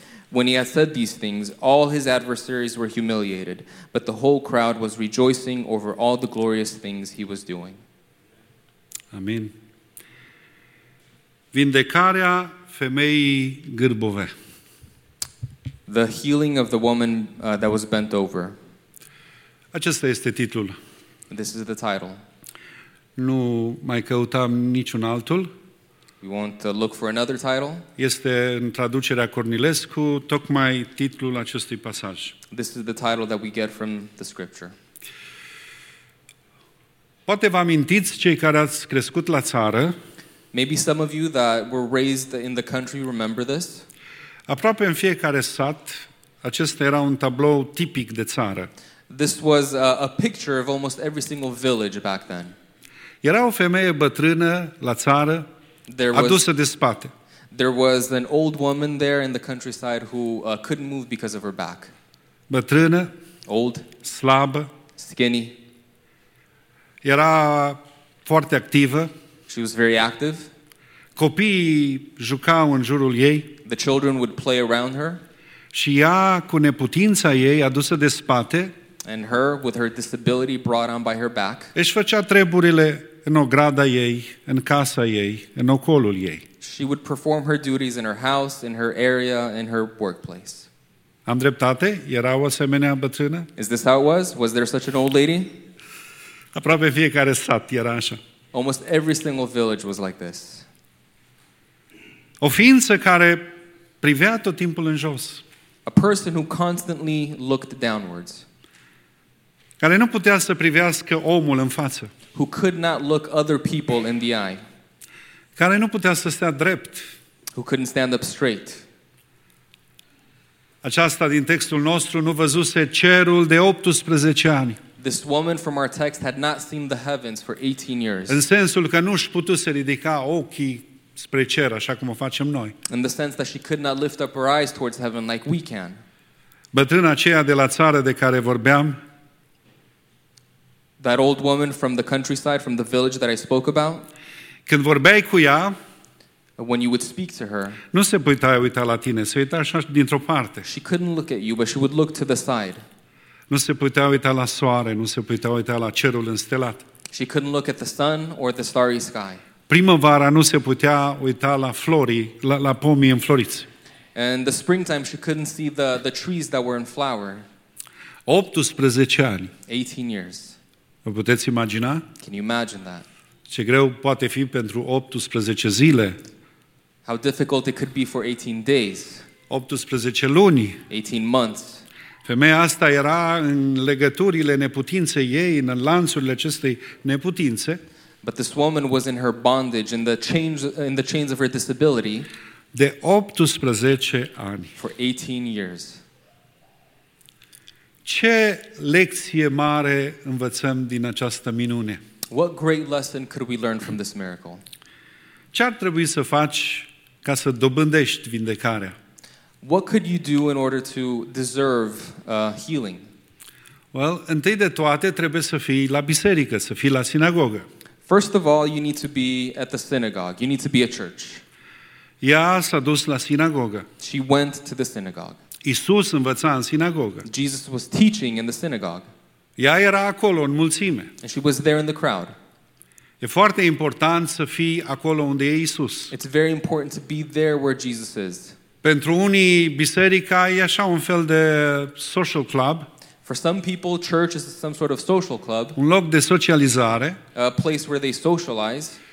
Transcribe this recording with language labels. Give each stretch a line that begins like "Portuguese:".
English: When he had said these things, all his adversaries were humiliated, but the whole crowd was rejoicing over all the glorious things he was doing.
Romanian: Amin. Vindecarea femeii gârbove.
English: The healing of the woman that was bent over.
Romanian: Acesta este titlul.
English: This is the title.
Romanian: Nu mai căutăm niciun altul.
English: We won't look for another title.
Romanian: Este în traducerea Cornilescu tocmai titlul acestui pasaj.
English: This is the title that we get from the scripture.
Romanian: Poate vă amintiți cei care ați crescut la țară.
English: Maybe some of you that were raised in the country remember this.
Romanian: Aproape în fiecare sat, acesta era un tablou tipic de țară.
English: This was a picture of almost every single village back then.
Romanian: Era o femeie bătrână la țară, adusă de spate.
English: There was an old woman there in the countryside who couldn't move because of her back.
Romanian: Bătrână,
English: old,
Romanian: slabă,
English: skinny.
Romanian: Era foarte activă.
English: She was very active.
Romanian: Copiii jucau în jurul ei.
English: The children would play around her.
Romanian: Și ea, cu neputința ei adusă de spate,
English: and her with her disability brought on by her back,
Romanian: își făcea treburile în ograda ei, în casa ei, în ocolul ei.
English: She would perform her duties in her house, in her area, in her workplace.
Romanian: Am dreptate? Era o asemenea bătrână?
English: Is this how it was? Was there such an old lady?
Romanian: Aproape fiecare sat era așa.
English: Almost every single village was like this.
Romanian: O ființă care privea tot timpul în jos.
English: A person who constantly looked downwards.
Romanian: Care nu putea să privească omul în față.
English: Who could not look other people in the eye.
Romanian: Care nu putea să stea drept.
English: Who couldn't stand up straight.
Romanian: Aceasta din textul nostru nu văzuse cerul de 18 ani.
English: This woman from our text had not seen the heavens for 18 years.
Romanian: În sensul că nu și putuse ridica ochii spre cer, așa cum o facem noi.
English: In the sense that she could not lift up her eyes towards heaven like we can.
Romanian: Bătrâna aceea de la țară de care vorbeam,
English: that old woman from the countryside, from the village that I spoke about,
Romanian: când vorbeai cu ea,
English: when you would speak to her,
Romanian: nu se putea uita la tine, se uita așa dintr-o parte.
English: She couldn't look at you, but she would look to the side.
Romanian: Nu se putea uita la soare, nu se putea uita la cerul înstelat.
English: She couldn't look at the sun or the starry sky.
Romanian: Primăvara nu se putea uita la florii, la pomii înfloriți.
English: And the springtime she couldn't see the trees that were in flower.
Romanian: 18 ani.
English: 18 years.
Romanian: Vă puteți imagina?
English: Can you imagine that?
Romanian: Ce greu poate fi pentru 18 zile.
English: How difficult it could be for 18 days.
Romanian: 18 luni.
English: 18 months.
Romanian: Femeia asta era în legăturile neputinței ei, în lanțurile acestei neputințe.
English: But this woman was in her bondage, in the chains of her disability.
Romanian: De 18 ani.
English: For 18 years.
Romanian: Ce lecție mare învățăm din această minune?
English: What great lesson could we learn from this miracle?
Romanian: Ce ar trebui să faci ca să dobândești vindecarea?
English: What could you do in order to deserve healing? Well,
Romanian: întâi de toate trebuie să fii la biserică, să fii la sinagogă.
English: First of all, you need to be at the synagogue. You need to be at church.
Romanian: Ea s-a dus la sinagogă.
English: She went to the synagogue.
Romanian: Iisus învăța în sinagogă.
English: Jesus was teaching in the synagogue.
Romanian: Ea era acolo în mulțime.
English: And she was there in the crowd.
Romanian: E foarte important să fii acolo unde e Iisus.
English: It's very important to be there where Jesus is.
Romanian: Pentru unii biserica e așa un fel de social club.
English: For some people, church is some sort of social club.
Romanian: Un loc de socializare.
English: A place where they socialize.